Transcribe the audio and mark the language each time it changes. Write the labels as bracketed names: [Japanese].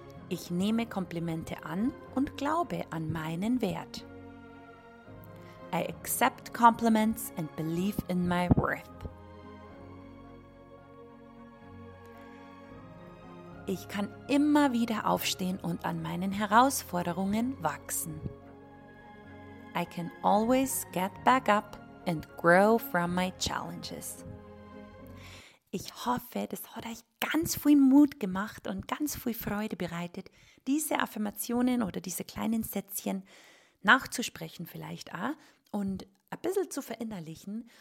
[German] Ich nehme Komplimente an und glaube an meinen Wert. [English] I accept compliments and believe in my worth. [German] Ich kann immer wieder aufstehen und an meinen Herausforderungen wachsen. [English] I can always get back up and grow from my challenges. [German] Ich hoffe, das hat euch ganz viel Mut gemacht und ganz viel Freude bereitet, diese Affirmationen oder diese kleinen Sätzchen nachzusprechen vielleicht auch und ein bisschen zu verinnerlichen.